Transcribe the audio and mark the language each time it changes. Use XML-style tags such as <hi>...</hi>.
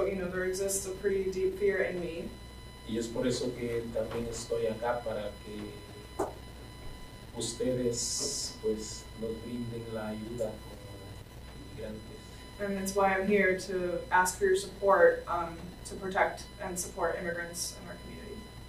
<en>There exists a pretty deep fear in me.</en> <es>Y es por eso que también estoy acá para que ustedes pues nos brinden la ayuda como inmigrantes.</es> <en>And that's why I'm here, to ask for your support, to protect and support immigrants in our community.</en>